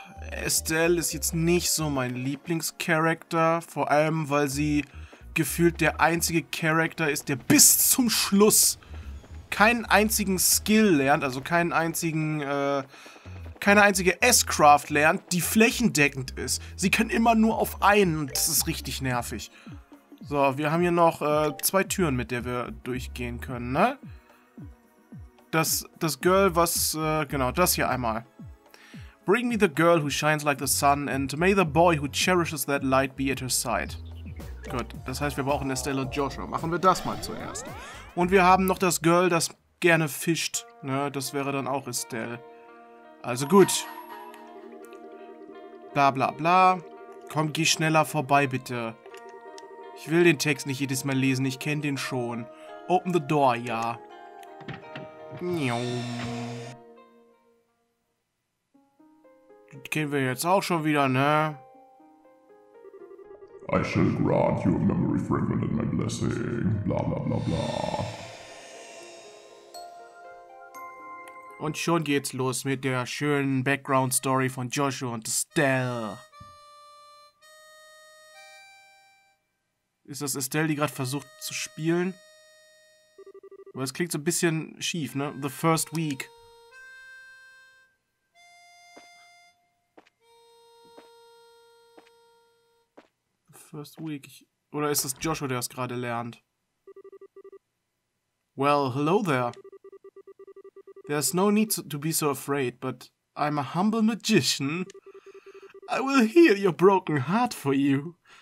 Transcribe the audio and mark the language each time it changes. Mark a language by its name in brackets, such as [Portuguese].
[German] Estelle ist jetzt nicht so mein Lieblingscharakter, vor allem weil sie gefühlt der einzige Charakter ist, der bis zum Schluss keinen einzigen Skill lernt, also keine einzige S-Craft lernt, die flächendeckend ist. Sie kann immer nur auf einen und das ist richtig nervig. So, wir haben hier noch zwei Türen, mit der wir durchgehen können, ne? Das hier einmal. [English] Bring me the girl who shines like the sun and may the boy who cherishes that light be at her side. [German] Gut, das heißt, wir brauchen Estelle und Joshua. Machen wir das mal zuerst. Und wir haben noch das Girl, das gerne fischt, ne? Das wäre dann auch Estelle. Also gut. Bla bla bla. Komm, geh schneller vorbei, bitte. Ich will den Text nicht jedes Mal lesen, ich kenn den schon. [English] Open the door, [German] ja. Njom. Das kennen wir jetzt auch schon wieder, ne? [English] I shall grant you a memory fragment and my blessing. Bla bla bla bla. [German] Und schon geht's los mit der schönen Background-Story von Joshua und Estelle. Ist das Estelle, die gerade versucht zu spielen? Aber es klingt so ein bisschen schief, ne? [English] The first week. The first week. [German] Oder ist das Joshua, der es gerade lernt? [English] Well, hello there. There's no need to be so afraid, but I'm a humble magician. I will heal your broken heart for you.